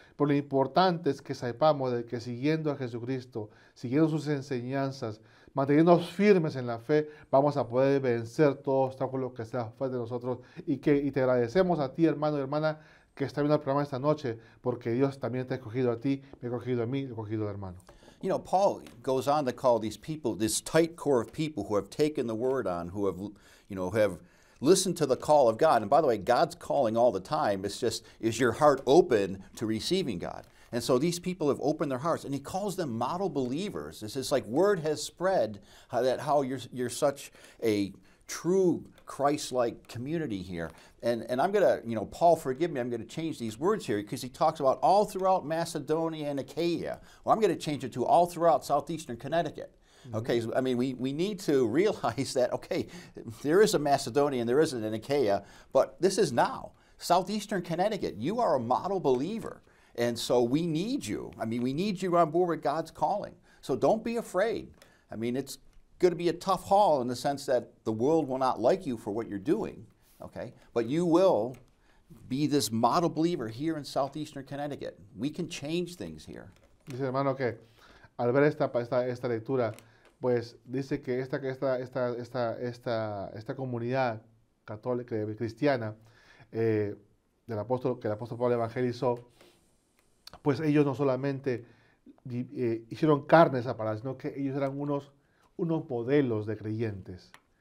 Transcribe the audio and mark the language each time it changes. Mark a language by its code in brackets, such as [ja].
[es] Pero lo importante es que sepamos de que siguiendo a Jesucristo, siguiendo sus enseñanzas, manteniéndonos firmes en la fe, vamos a poder vencer todo obstáculo que sea fuera de nosotros. Y te agradecemos a ti, hermano y hermana, que estás viendo el programa esta noche, porque Dios también te ha escogido a ti, me ha escogido a mí, me ha escogido al hermano. [en] You know, Paul goes on to call these people, this tight core of people who have taken the word on, who have listened to the call of God. And by the way, God's calling all the time. It's just, is your heart open to receiving God? And so these people have opened their hearts, and he calls them model believers. It's just like word has spread how you're such a true Christ-like community here. And I'm going to, you know, Paul, forgive me, I'm going to change these words here because he talks about all throughout Macedonia and Achaia. Well, I'm going to change it to all throughout southeastern Connecticut. Mm-hmm. Okay, so, I mean, we need to realize that, okay, there is a Macedonia and there isn't an Achaia, but this is now. Southeastern Connecticut, you are a model believer. And so we need you. I mean, we need you on board with God's calling. So don't be afraid. I mean, it's going to be a tough haul in the sense that the world will not like you for what you're doing, okay? But you will be this model believer here in southeastern Connecticut. We can change things here. [es] Dice, hermano, que al ver esta lectura, pues dice que esta comunidad católica cristiana del apóstol, que el apóstol Pablo evangelizó, pues ellos no solamente hicieron carne esa palabra, sino que ellos eran unos modelos de creyentes.